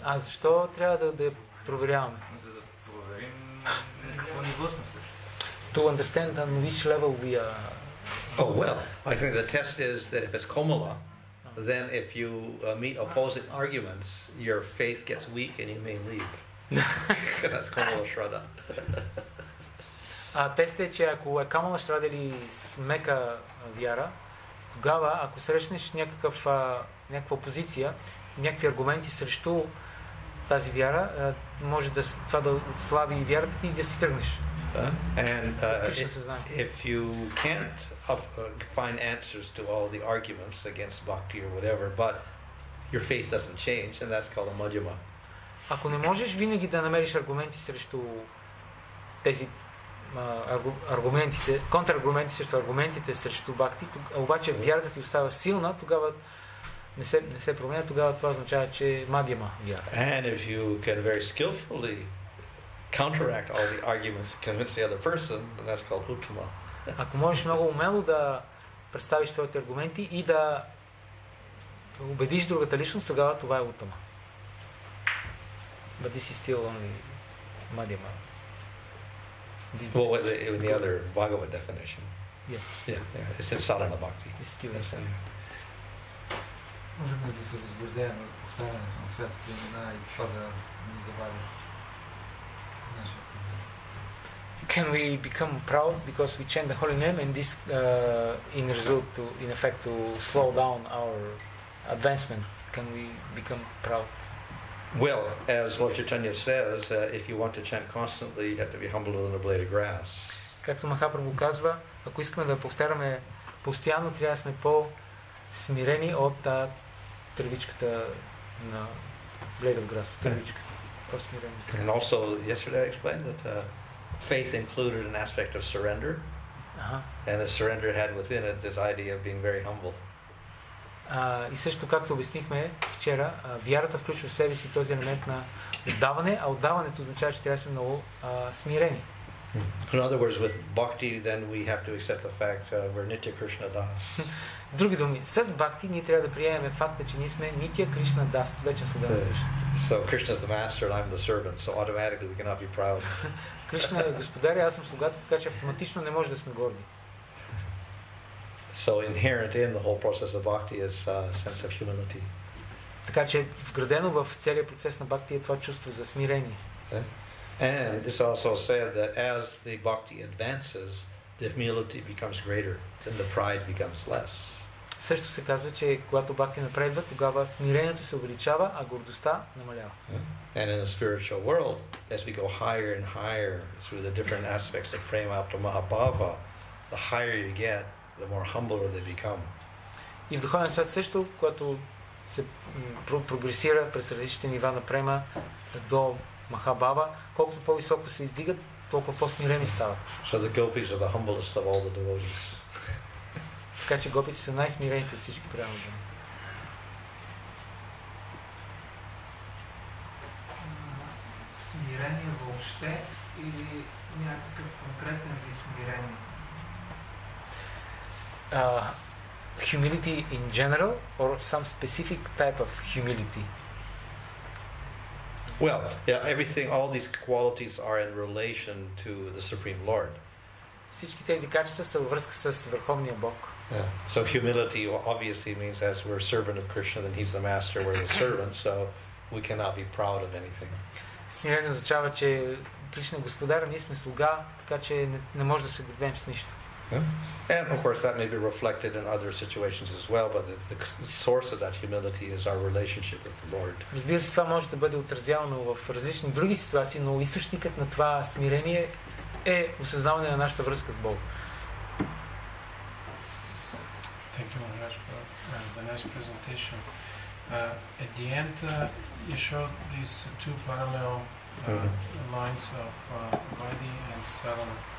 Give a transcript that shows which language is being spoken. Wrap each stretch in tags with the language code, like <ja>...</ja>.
<bg>А защо трябва да проверяваме? За да проверим какво ниво сме всъщност.</bg> <en>To understand on which level we are. Oh well, I think the test is that if it's komala, then if you meet opposing arguments, your faith gets weak and you may leave. That's komala shraddha.</en> <bg>А тест е, че ако е камала шрада или смека вяра, тогава ако срещнеш някаква опозиция, някакви аргументи срещу тази вяра, може да това да отслаби вярата ти и да си тръгнеш.</bg> <en>If you can't find answers to all the arguments against bhakti or whatever, but your faith doesn't change, and that's called a madhyama.</en> <bg>Ако не можеш винаги да намериш аргументи срещу тези аргументите, контраргументи срещу аргументите срещу бхакти, обаче вярата ти остава силна, тогава не се променя, тогава това означава, че мадхьяма вяра.</bg> <en>And if you can very skillfully counteract all the arguments and convince the other person, then that's called uttama.</en> <bg>Ако можеш много умело да представиш твоите аргументи и да убедиш другата личност, тогава това е uttama.</bg> <en>But this is still only мадхьяма. Well, in the other Bhagavad definition. Yes. Yeah. It's in sadhana bhakti. It's still in sadhana.</en> <bg>Можем ли да се разгордеем от повтарянето на святите имена и това да не забави нашия поведение?</bg> <en>Can we become proud because we chant the holy name and this in result to, in effect to slow down our advancement? Can we become proud? Well, as Lord Chaitanya says, if you want to chant constantly, you have to be humble than a blade of grass.</en> <bg>Както Махапрабху казва, ако искаме да повтаряме постоянно, трябва да сме по-смирени от тръбичката на</bg> <en>blade of grass.</en> <bg>Тръбичката. По-смирени.</bg> <en>And also, yesterday I explained that faith included an aspect of surrender. Uh-huh. And the surrender had within it this idea of being very humble.</en> <bg>И също както обяснихме вчера, вярата включва в себе си този елемент на отдаване, а отдаването означава, че трябва да сме много смирени.</bg> <en>In other words, with bhakti, then we have to accept the fact that we're Nitya Krishna Das.</en> <bg>С други думи, с бхакти ние трябва да приемем факта, че ние сме Нитя Кришна Дас, вечен слуга.</bg> <en>So Krishna is the master and I'm the servant, so automatically we cannot be proud.</en> <bg>Кришна е господар, аз съм слугата, така че автоматично не може да сме горди.</bg> <en>So inherent in the whole process of bhakti is a sense of humility.</en> <bg>Така че вградено в целия процес на бхакти е това чувство за смирение.</bg> <en>And it's also said that as the bhakti advances, the humility becomes greater, then the pride becomes less.</en> <bg>Също се казва, че когато бхакти напредва, тогава смирението се увеличава, а гордостта намалява.</bg> <en>And in the spiritual world, as we go higher and higher through the different aspects of prema up to mahabhava, the higher you get, the more humbler they become.</en> <bg>И в духовен свят също, когато се прогресира през различните нива на према до махабава, колкото по-високо се издигат, толкова по-смирени стават.</bg> <en>So the gopis are the humblest of all the devotees.</en> <bg>Така че гопите са най-смирените от всички према. Вече споменахте за смирение въобще или някакъв конкретен вид смирение?</bg> <en>Humility in general or some specific type of humility? Well, yeah, everything, all these qualities are in relation to the Supreme Lord.</en> <bg>Всички тези качества са във връзка с Върховния Бог.</bg> <en>So humility obviously means as we're a servant of Krishna, then he's the master, we're the servant, so we cannot be proud of anything.</en> <bg>Смирение означава, че Кришна е господар, ние сме слуга, така че не може да се гордеем с нищо.</bg> <en>And of course that may be reflected in other situations as well, but the source of that humility is our relationship with the Lord.</en> <bg>Разбира се, това може да бъде отразявано в различни други ситуации, но източникът на това смирение е осъзнаване на нашата връзка с Бог.</bg> <en>Thank you very much for the nice presentation. At the end, you showed these two parallel lines of body and sadhana.</en>